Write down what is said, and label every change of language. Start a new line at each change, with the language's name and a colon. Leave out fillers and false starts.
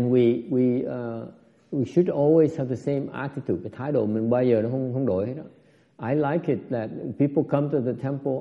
English: And we should always have the same attitude.
Vietnamese: Cái thái độ mình bao giờ nó không đổi hết đó.
English: I like it that people come to the temple.